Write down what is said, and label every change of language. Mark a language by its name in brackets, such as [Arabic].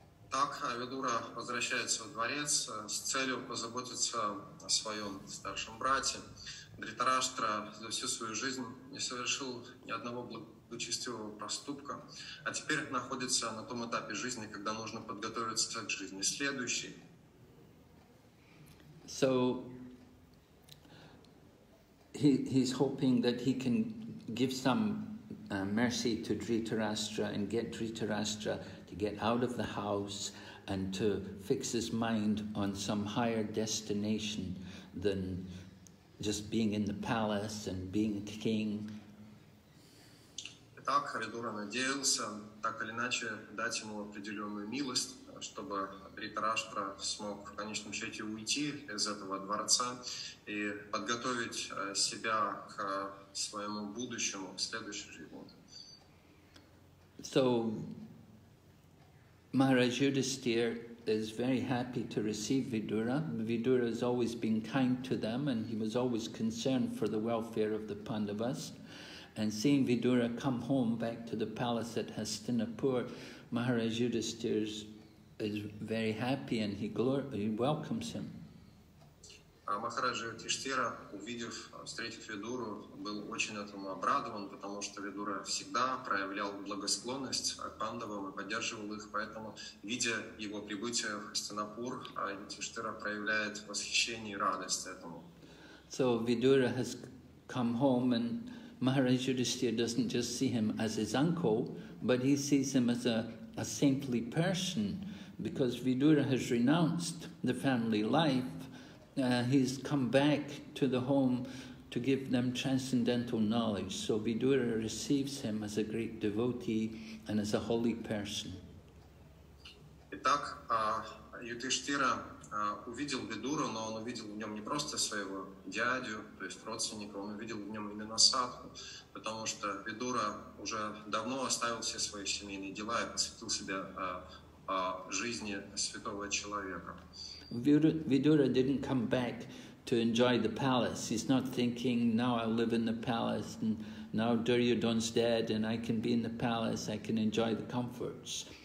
[Russian] Так, Видура возвращается в дворец с целью позаботиться о своем старшем брате. Дхритараштра за всю свою жизнь не совершил ни одного благочестивого проступка, а теперь находится на том этапе жизни, когда нужно подготовиться к жизни следующей. [English] So he's hoping that he can give some mercy to Dhritarashtra and get Dhritarashtra to get out of the house and to fix his mind on some higher destination than just being in the palace and being king. [Russian] Итак, Харидура надеялся так или иначе дать ему определенную милость, чтобы Дхритараштра смог в конечном счете уйти из этого дворца и подготовить себя к своему будущему, к следующей жизни. [English] So, Maharaj Yudhisthira is very happy to receive Vidura. Vidura has always been kind to them, and he was always concerned for the welfare of the Pandavas. And seeing Vidura come home back to the palace at Hastinapur, Maharaj Yudhisthira is very happy, and he welcomes him. [Russian] Maharaj Yudhisthira, встретив Видуру, был очень этому обрадован, потому что Видура всегда проявлял благосклонность к пандавам и поддерживал их. Поэтому, видя его прибытие в Хастинапур, Юдхиштхира проявляет восхищение и радость этому. [English] So Vidura has come home, and Maharaj Yudhisthira doesn't just see him as his uncle, but he sees him as a saintly person, because Vidura has renounced the family life. He's come back to the home to give them transcendental knowledge. So Vidura receives him as a great devotee and as a holy person. [Russian] Итак, Юдхиштхира увидел Видуру, но он увидел в нем не просто своего дядю, то есть родственника, он увидел в нем именно садху, потому что Видура уже давно оставил все свои семейные дела и посвятил себя жизни святого человека. [English] Vidura didn't come back to enjoy the palace. He's not thinking, now I live in the palace, and now Duryodhana's dead, and I can be in the palace, I can enjoy the comforts.